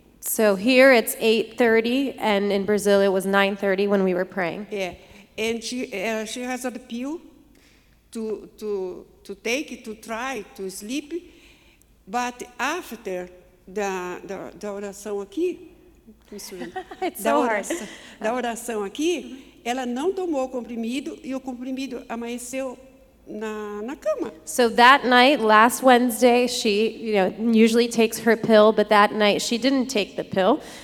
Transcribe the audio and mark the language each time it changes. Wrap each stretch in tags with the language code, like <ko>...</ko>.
<en>So here it's 8:30, and in Brazil it was 9:30 when we were praying. Yeah, and she has a pill to take, to try, to sleep, but after the</en> <pt>oração aqui,</pt> <en>it's so hard.</en> <pt>Da oração aqui, ela não tomou o comprimido, e o comprimido amanheceu na cama.</pt> <en>So that night, last Wednesday, she, you know, usually takes her pill, but that night she didn't take the pill.</en>